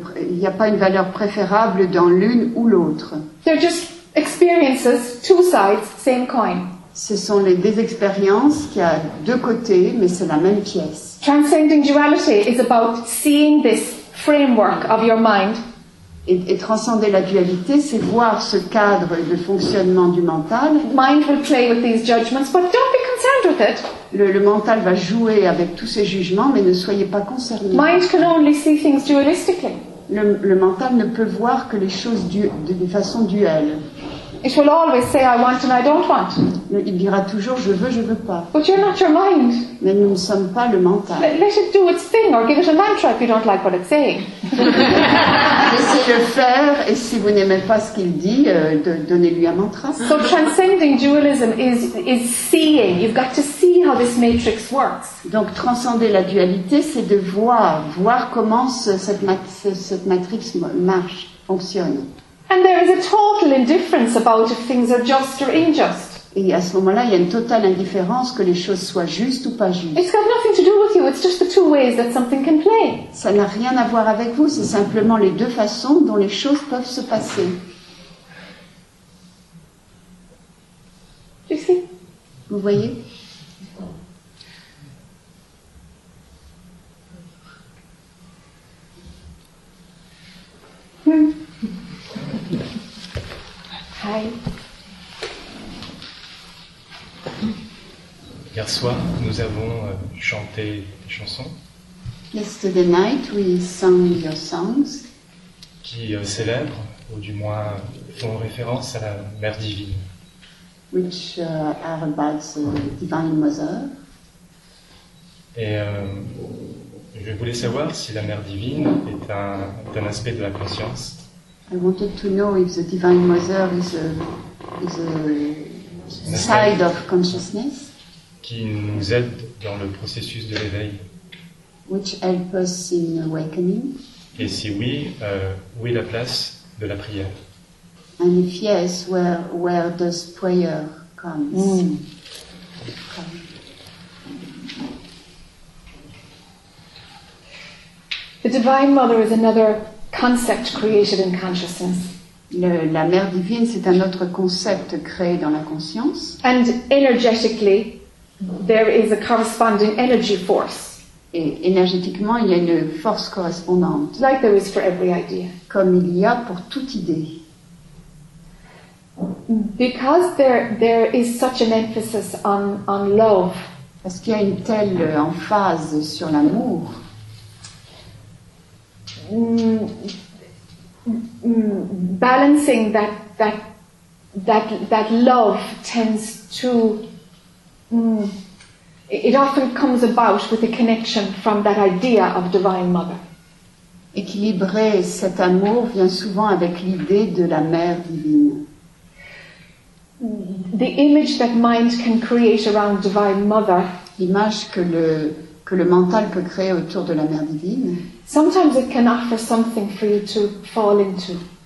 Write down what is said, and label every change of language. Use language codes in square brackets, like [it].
[fr] Il y a pas une valeur préférable dans l'une ou l'autre. [en] They're just experiences, two sides, same coin. [fr] Ce sont des expériences qui a deux côtés, mais c'est la même pièce. [en] Transcending duality is about seeing this framework of your mind. [fr] Et transcender la dualité, c'est voir ce cadre de fonctionnement du mental. [en] Mind will play with these judgments, but don't be concerned with it. [fr] Le mental va jouer avec tous ces jugements, mais ne soyez pas concerné. [en] Mind can only see things dualistically. [fr] Le mental ne peut voir que les choses de façon duelle. [en] It will always say I want and I don't want. [fr] Il dira toujours je veux, je veux pas. [en] But you're not your mind. [fr] Mais nous ne sommes pas le mental. [en] Let it do its thing or give it a mantra if you don't like what it's saying. [fr] Laissez-le faire et si vous n'aimez pas ce qu'il dit, donnez-lui un mantra. [en] So transcending dualism is seeing. You've got to see how this matrix works. [fr] Donc transcender la dualité, c'est de voir comment cette matrix marche, fonctionne. [en] And there is a total indifference about if things are just or unjust. [fr] Et à ce moment-là, il y a une totale indifférence que les choses soient justes ou pas justes. [en] It's got nothing to do with you. It's just the two ways that something can play. [fr] Ça n'a rien à voir avec vous. C'est simplement les deux façons dont les choses peuvent se passer. [en] Do you see? [fr] Vous voyez? [en] Hi. [fr] Hier soir, nous avons chanté des chansons. [en] Yesterday night, we sang your songs. [fr] Qui célèbrent, ou du moins font référence à la Mère Divine. [en] Which are about the Divine Mother. [fr] Et je voulais savoir si la Mère Divine est un aspect de la conscience. [en] I wanted to know if the Divine Mother is a side of consciousness [fr] qui nous aide dans le processus de l'éveil. [en] Which help us in awakening. [fr] Et si oui, où est la place de la prière? [en] And if yes, where does prayer comes? The Divine Mother is another concept created in consciousness. [fr] La mère divine, c'est un autre concept créé dans la conscience. [en] And energetically, there is a corresponding energy force. [fr] Et énergétiquement, il y a une force correspondante. [en] Like there is for every idea. [fr] Comme il y a pour toute idée. [en] Because there is such an emphasis on love. [fr] Parce qu'il y a une telle emphase sur l'amour. [en] Balancing that that love tends to it often comes about with a connection from that idea of Divine Mother. [fr] Équilibrer cet amour vient souvent avec l'idée de la mère divine. [en] The image that mind can create around Divine Mother, [fr] l'image que le mental peut créer autour de la mère divine, [en] sometimes it can offer something for you to fall into.